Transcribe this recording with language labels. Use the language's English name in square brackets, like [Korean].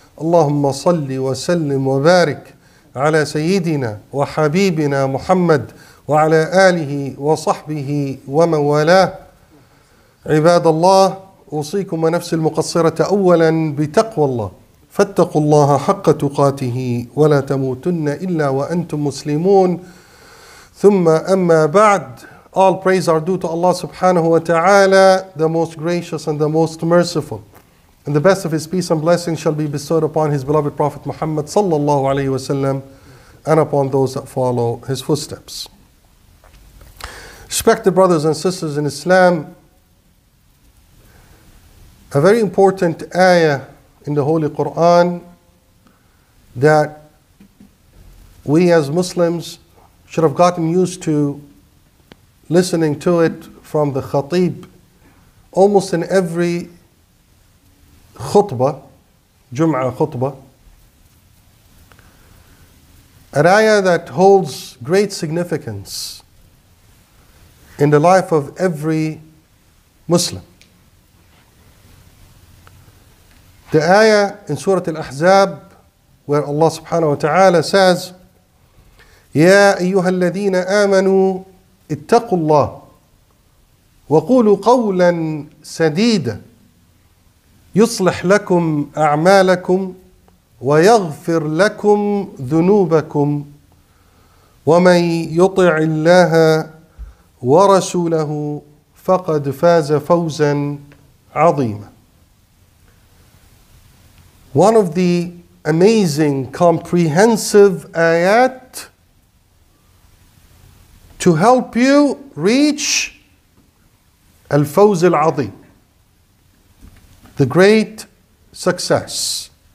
[Arabic] اللهم صل وسلم وبارك على سيدنا وحبيبنا محمد وعلى آله وصحبه ومن والاه. عباد الله، أوصيكم ونفسي المقصرة أولا بتقوى الله، فاتقوا الله حق تقاته ولا تموتن إلا وأنتم مسلمون. ثم أما بعد، [English] all praise are due to Allah subhanahu wa ta'ala, the most gracious and the most merciful. And the best of his peace and blessing shall be bestowed upon his beloved Prophet Muhammad sallallahu alayhi wa sallam and upon those that follow his footsteps. Respected brothers and sisters in Islam, a very important ayah in the Holy Quran that we as Muslims should have gotten used to listening to it from the khatib almost in every khutbah, Jum'ah khutbah. An ayah that holds great significance in the life of every Muslim. The ayah in Surah Al-Ahzab where Allah subhanahu wa ta'ala says, [Arabic] يَا أَيُّهَا الَّذِينَ آمَنُوا اتقوا الله وقولوا قولا سديدا يصلح لكم أعمالكم ويغفر لكم ذنوبكم ومن يطع الله ورسوله فقد فاز فوزا عظيما. [English] One of the amazing comprehensive ayat to help you reach al-fawz al-azim, the great success.